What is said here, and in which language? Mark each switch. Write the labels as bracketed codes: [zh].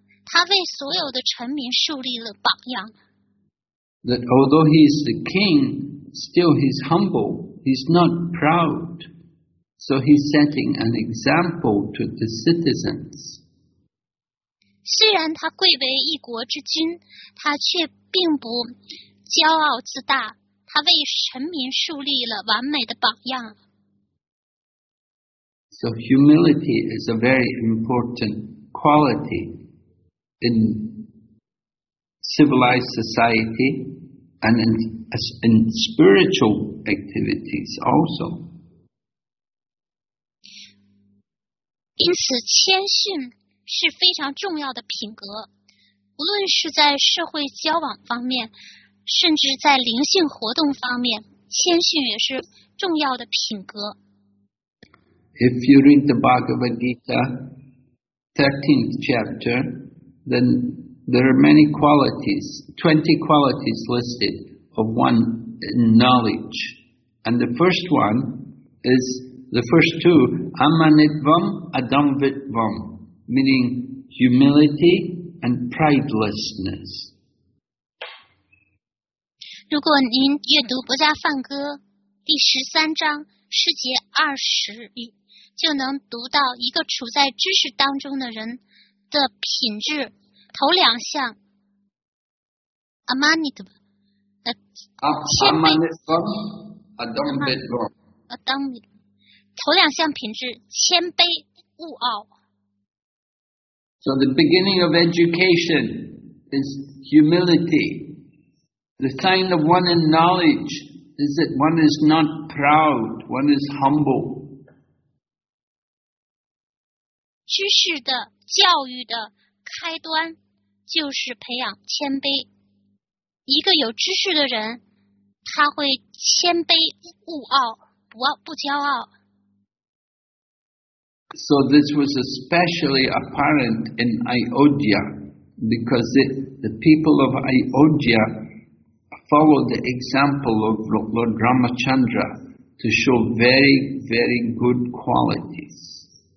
[zh] 他为所有的臣民树立了榜样。 [en] That although he is the king, still he's humble. He's not proud. So he's setting an example to the citizens. [zh] 虽然他贵为一国之君，他却并不骄傲自大。他为臣民树立了完美的榜样。 [en] So humility is a very important quality. In civilized society and in spiritual activities also. [zh] 因此谦逊是非常重要的品格，无论是在社会交往方面，甚至在灵性活动方面，谦逊也是重要的品格。 [en] If you read the Bhagavad Gita, 13th chapter, then there are many qualities, 20 qualities listed of one knowledge. And the first one is, the first two, amanitvam, adamvitvam, meaning humility and pridelessness. [zh] 如果您阅读《伯家梵歌》第十三章诗节二十里，就能读到一个处在知识当中的人的品质，头两项 ，amanitvam， 谦卑，adamvitvam，头两项品质，谦卑勿傲。 [en] So the beginning of education is humility. The sign of one in knowledge is that one is not proud, one is humble. [zh] 知识的教育的开端就是培养谦卑。一个有知识的人，他会谦卑勿傲，不骄傲。 [en] So this was especially apparent in Ayodhya, because the people of Ayodhya followed the example of Lord Ramachandra to show very, very good qualities.